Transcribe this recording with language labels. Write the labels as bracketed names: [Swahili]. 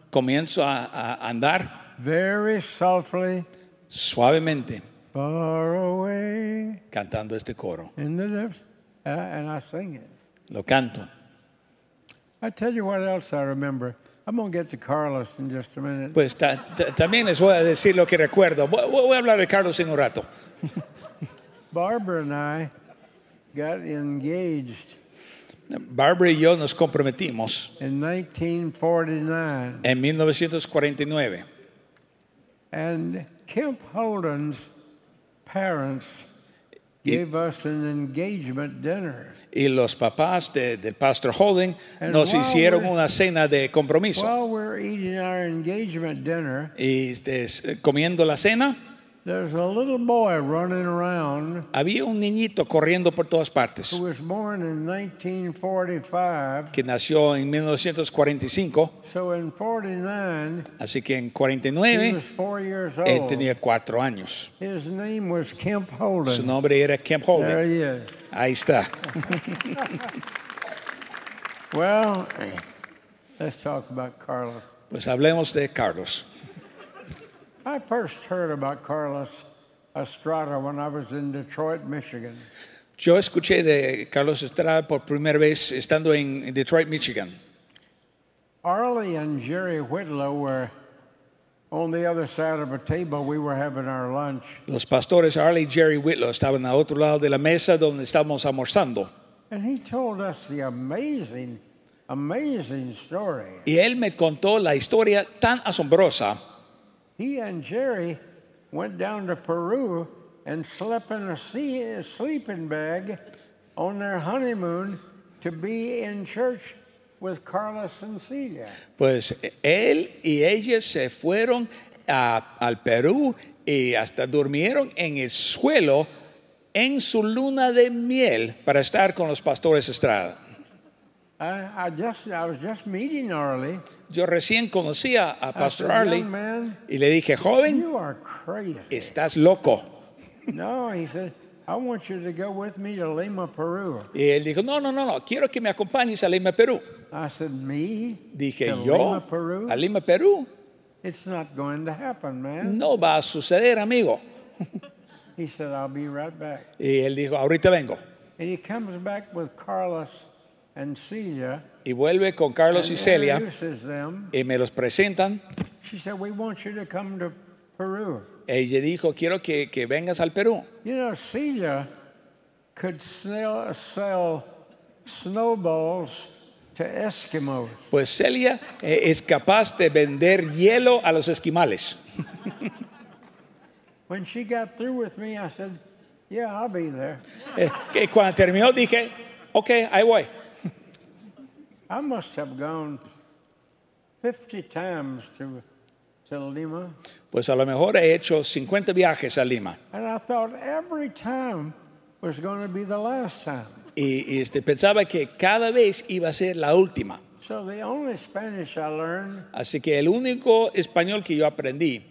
[Spanish] comienzo a andar, [English] very softly, [Spanish] suavemente, [English] far away, [Spanish] cantando este coro. [English] In the depths, and I sing it. [Spanish] Lo canto. [English] I tell you what else I remember. I'm going to get to Carlos in just a minute. [Spanish] Pues también les voy a decir lo que recuerdo. Voy a hablar de Carlos en un rato. [English] Barbara and I got engaged. [Spanish] Barbara y yo nos comprometimos. [English] In 1949. [Spanish] En 1949. [English] And Kemp Holden's parents gave us an engagement dinner. [Spanish] Y los papás del pastor Holden nos hicieron una cena de compromiso. [English] While we're eating our engagement dinner, [Spanish] y comiendo la cena, [English] there's a little boy running around. [Spanish] Había un niñito corriendo por todas partes. [English] Who was born in 1945. [Spanish] Que nació en 1945. [English] So in 49. [Spanish] Así que en 49. [English] He was 4 years old. [Spanish] Él tenía 4 años. [English] His name was Kemp Holden. [Spanish] Su nombre era Kemp Holden. [English] There he is. [Spanish] Ahí está. [English] Well, let's talk about Carlos. [Spanish] Pues hablemos de Carlos. [English] I first heard about Carlos Estrada when I was in Detroit, Michigan. [Spanish] Yo escuché de Carlos Estrada por primera vez estando en Detroit, Michigan. [English] Arlie and Jerry Whitlow were on the other side of a table. We were having our lunch. [Spanish] Los pastores Arlie y Jerry Whitlow estaban al otro lado de la mesa donde estábamos almorzando. [English] And he told us the amazing, amazing story. [Spanish] Y él me contó la historia tan asombrosa. [English] He and Jerry went down to Peru and slept in a sleeping bag on their honeymoon to be in church with Carlos and Celia. [Spanish] Pues él y ella se fueron al Perú y hasta durmieron en el suelo en su luna de miel para estar con los pastores Estrada. [English] I was just meeting Arlie. [Spanish] Yo recién conocí a Pastor [English] said, Arlie, man, [Spanish] y le dije, joven, [English] you are crazy. [Spanish] Estás loco. [English] No, he said, I want you to go with me to Lima, Peru. [Spanish] Y él dijo, no, quiero que me acompañes a Lima, Perú. [English] I said, me? [Spanish] Dije, [English] to [Spanish] yo, [English] Lima, Peru? [Spanish] A Lima, Perú. [English] It's not going to happen, man. [Spanish] No va a suceder, amigo. [English] He said, I'll be right back. [Spanish] Y él dijo, ahorita vengo. [English] And he comes back with Carlos and Celia. [Spanish] Y vuelve con Carlos [English] and [Spanish] y Celia. [English] Introduces them. [Spanish] Y me los presentan. [English] She said, we want you to come to Peru. [Spanish] Ella dijo, quiero que vengas al Perú. [English] You know, Celia could sell snowballs to Eskimos. [Spanish] Pues Celia es capaz de vender hielo a los esquimales. [English] When she got through with me, I said, yeah, I'll be there. [Spanish] Que cuando terminó dije, okay, ahí voy. [English] I must have gone 50 times to Lima. [Spanish] Pues a lo mejor he hecho 50 viajes a Lima. [English] And I thought every time was going to be the last time. [Spanish] Y pensaba que cada vez iba a ser la última. [English] So the only Spanish I learned, [Spanish] así que el único español que yo aprendí.